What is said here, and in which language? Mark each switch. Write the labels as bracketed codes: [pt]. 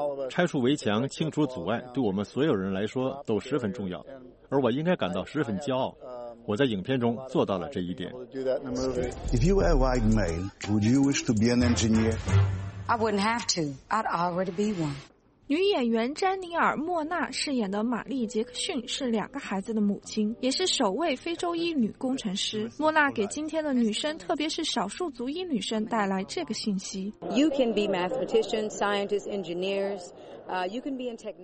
[zh] 拆除围墙，清除阻碍，对我们所有人来说都十分重要，而我应该感到十分骄傲，我在影片中做到了这一点。 [en] If you were a white male, would you wish to be an engineer? I wouldn't have to. I'd already be one. [zh] 女演员詹尼尔·莫纳饰演的玛丽·杰克逊是两个孩子的母亲，也是首位非洲裔女工程师。莫纳给今天的女生，特别是少数族裔女生带来这个信息。 [en] You can be mathematicians, scientists, engineers. You can be in technology.